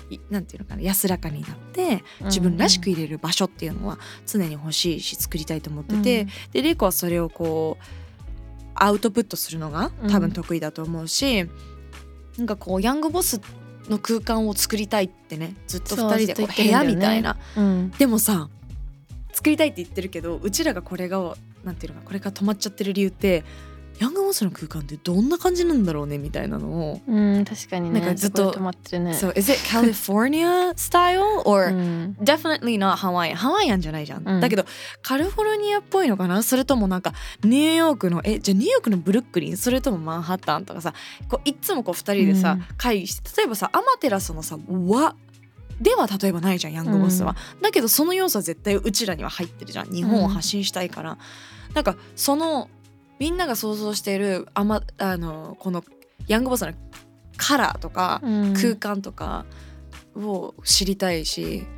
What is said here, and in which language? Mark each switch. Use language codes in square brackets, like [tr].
[ja] なんていうのかな、安らかになって自分らしくいれる場所っていうのは常に欲しいし作りたいと思ってて、うん、でレイコはそれをこうアウトプットするのが多分得意だと思うし、うん、なんかこうヤングボスの空間を作りたいってね、ずっと2人でこう部屋みたいな、うん、でもさ作りたいって言ってるけど、うちらがこれがなんていうのか、これが止まっちゃってる理由って、ヤングボスの空間ってどんな感じなんだろうねみたいなのを、うん、確かにね、なんかずっと止まってるね。 [en] So is it California style or definitely not Hawaii? [ja] Hawaiian じゃないじゃん、うん。だけどカリフォルニアっぽいのかな、それともなんかニューヨークの、え、じゃあニューヨークのブルックリン、それともマンハッタンとかさ、こういつもこう2人でさ、うん、会議して、例えばさアマテラスのさ和では例えばないじゃん、ヤングボスは、うん、だけどその要素は絶対うちらには入ってるじゃん、日本を発信したいから、うん、なんかそのみんなが想像しているこのヤングボスのカラーとか、うん、空間とかを知りたいし、